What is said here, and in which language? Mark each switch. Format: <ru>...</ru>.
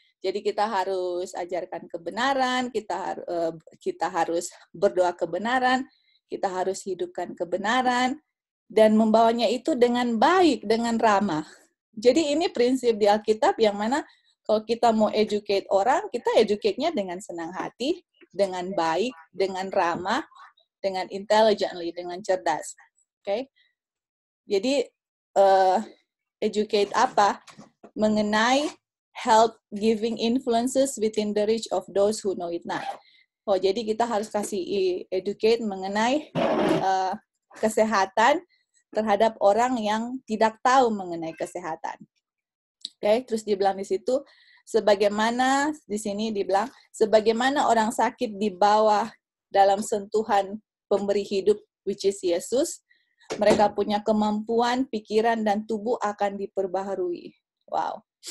<id>Jadi kita harus ajarkan kebenaran, kita harus berdoa kebenaran, kita harus hidupkan kebenaran, dan membawanya itu dengan baik, dengan ramah. Jadi ini prinsip di Alkitab yang mana kalau kita mau educate orang, kita educate-nya dengan senang hati, dengan baik, dengan ramah, dengan intelligently, dengan cerdas. Okay? Jadi, educate apa?</id> <en>Mengenai help giving influences within the reach of those who know it not.</en> <id>Oh, jadi kita harus kasih educate mengenai kesehatan terhadap orang yang tidak tahu mengenai kesehatan. Okay? Terus dibilang di situ, sebagaimana di sini dibilang, sebagaimana orang sakit dibawa dalam sentuhan pemberi hidup, which is Yesus, mereka punya kemampuan, pikiran, dan tubuh akan diperbaharui. Wow.</id>